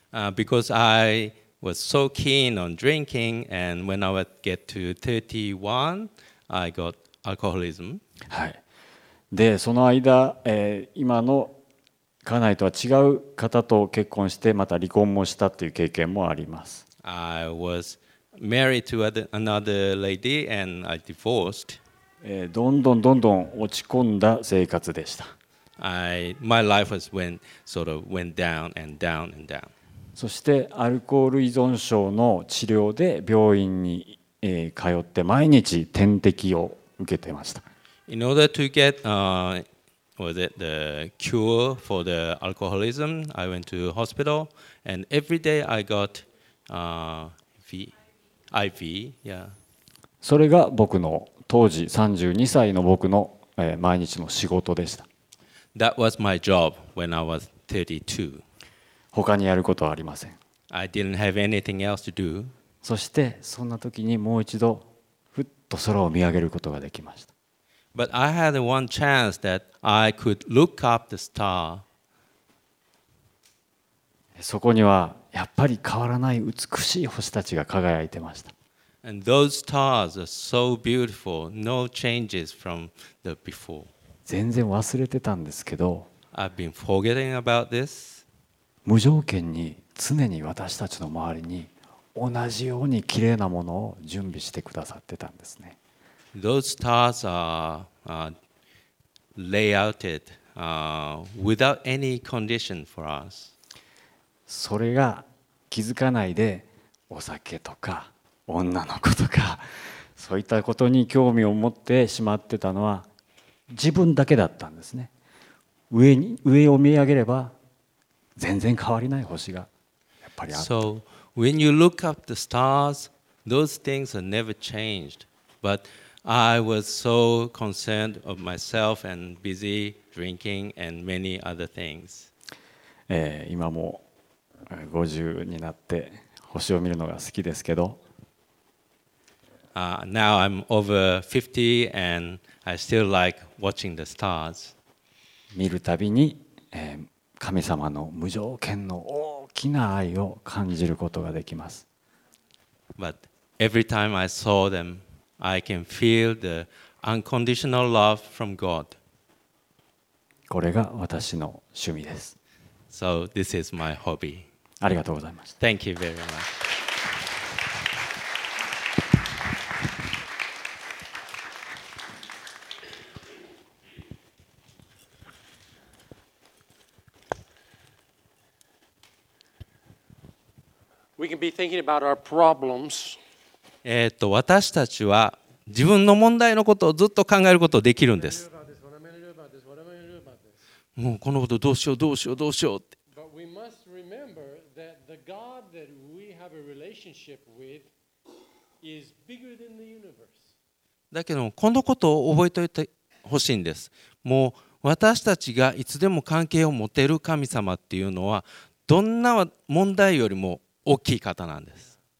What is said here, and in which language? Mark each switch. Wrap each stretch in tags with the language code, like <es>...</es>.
<en>Because I was so keen on drinking, and when I would get to 31, I got alcoholism.</en> <ja>はい。で、その間、今の家内とは違う方と結婚して、また離婚もしたという経験もあります。</ja> <en>I was married to another lady and I divorced.</en> <ja>どんどんどんどん落ち込んだ生活でした。</ja> <en>My life was went down and down and down.</en> <ja>そしてアルコール依存症の治療で病院に通って毎日点滴を受けてました。</ja> <en>In order to get, was it the cure for the alcoholism? I went to hospital and every day I got IV. Yeah.</en> <ja>それが僕の当時32歳の僕の毎日の仕事でした。</ja> <en>That was my job when I was 32.</en> <ja>他にやることはありません。</ja> <en>I didn't have anything else to do.</en> <ja>そしてそんな時にもう一度ふっと空を見上げることができました。</ja> <en>But I had one chance that I could look up the star.</en> <ja>そこにはやっぱり変わらない美しい星たちが輝いてました。</ja> <en>And those stars are so beautiful, no changes from the before.</en> <ja>全然忘れてたんですけど、</ja> <en>I've been forgetting about this.</en> <ja>無条件に常に私たちの周りに同じように綺麗なものを準備してくださってたんですね。</ja> <en>Those stars are layouted without any condition for us.</en> <ja>それが気づかないでお酒とか女の子とかそういったことに興味を持ってしまってたのは自分だけだったんですね。上を見上げれば全然変わりない星がやっぱりあった。</ja> <en>So when you look up the stars, those things are never changed. But I was so concerned of myself and busy drinking and many other things.</en> <ja>今も50になって星を見るのが好きですけど。</ja> <en>Now I'm over 50 and I still like watching the stars.</en> <ja>見るたびに神様の無条件の大きな愛を感じることができます。</ja> <en>But every time I saw them, I can feel the unconditional love from God.</en> <ja>これが私の趣味です。</ja> <en>So this is my hobby.</en> <ja>ありがとうございました。</ja> <en>Thank you very much. We can be thinking about our problems.</en> <ja>私たちは自分の問題のことをずっと考えることができるんです。もうこのことどうしようどうしようどうしようって。</ja> <en>But we must remember that the God that we have a relationship with is bigger than the universe.</en> <ja>だけどこのことを覚えておいてほしいんです。もう私たちがいつでも関係を持てる神様っていうのはどんな問題よりも大きい方なんです。</ja>